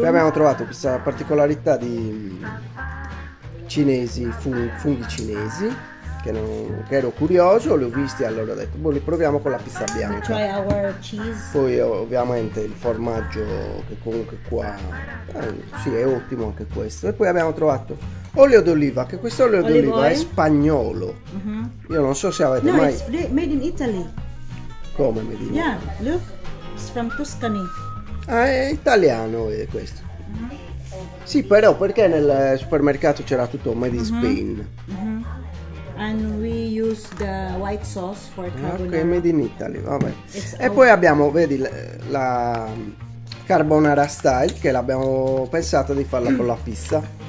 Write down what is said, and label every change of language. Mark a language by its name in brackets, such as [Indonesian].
[Italian] Poi abbiamo trovato questa particolarità di cinesi, funghi cinesi, che ero curioso, li ho visti e allora ho detto, li proviamo con la pizza bianca. [English] We'll try our cheese. [Italian] Poi ovviamente il formaggio, che comunque qua sì, è ottimo anche questo. E poi abbiamo trovato olio d'oliva, che questo olio d'oliva è spagnolo. Io non so se avete mai... [English] No, it's made in Italy. [Italian] Come [English] made in Italy? Yeah, look, it's from Tuscany. [Italian] Ah, è italiano questo. Sì, però perché nel supermercato c'era tutto [English] made in Spain? And we use the white sauce for carbonara. [Italian] Ok, [English] made in Italy, [Italian] vabbè. E poi abbiamo, vedi, la carbonara style, che l'abbiamo pensato di farla con la pizza.